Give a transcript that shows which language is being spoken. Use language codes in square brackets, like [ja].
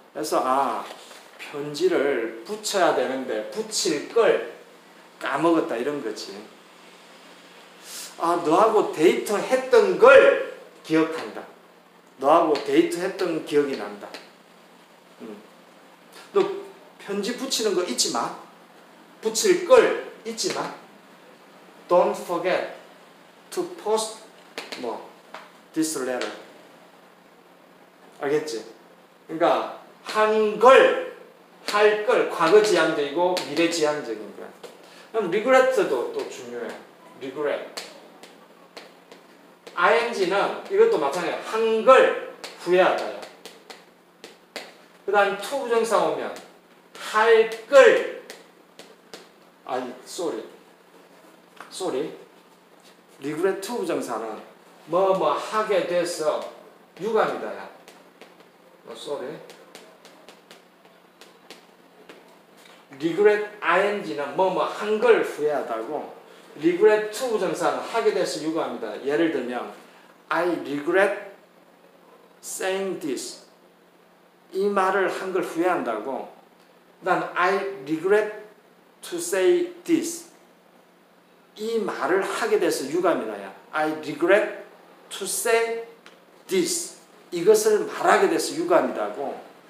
[ko] 그래서 아, 편지를 붙여야 되는데 붙일 걸 까먹었다. 이런 거지. 아, 너하고 데이트했던 걸 기억한다. 너하고 데이트했던 기억이 난다. 너 편지 붙이는 거 잊지 마. 붙일 걸 잊지 마. [en] Don't forget to post 뭐 this letter. [ko] 알겠지? 그러니까 한 걸, 할 걸 과거 지향적이고 미래 지향적인 거야. 그럼 regret도 또 중요해. regret. ing는 이것도 마찬가지야. 한 걸 후회하다요. 그 다음 to 부정사 오면 할 걸, 아니 [en] sorry, sorry, [ko] regret to 부정사는 뭐뭐 하게 돼서 유감이다 야. [en] sorry. [ko] regret ing는 뭐뭐 한 걸 후회하다고, regret to 부정사는 하게 돼서 유감이다. 예를 들면 [en] I regret saying this. [ko] 이 말을 한 걸 후회한다고. 난 [en] I regret to say this. [ko] 이 말을 하게 돼서 유감이다야. [en] I regret to say this. [ko] 이것을 말하게 돼서 유감이다고.